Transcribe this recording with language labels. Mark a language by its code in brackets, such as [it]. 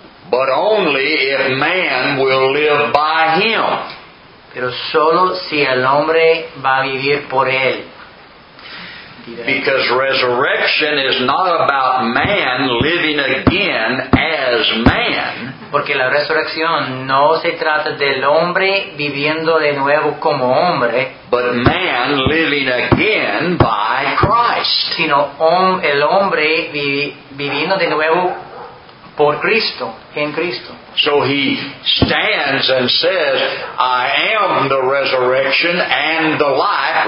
[en] But only if man will live by him. [es] Pero solo si el hombre va a vivir por él. [en] Because resurrection is not about man living again as man. [es] Porque la resurrección no se trata del hombre viviendo de nuevo como hombre. [en] But man living again by Christ. [es] Sino el hombre viviendo de nuevo por Cristo, en Cristo. [en] So he stands and says, I am the resurrection and the life.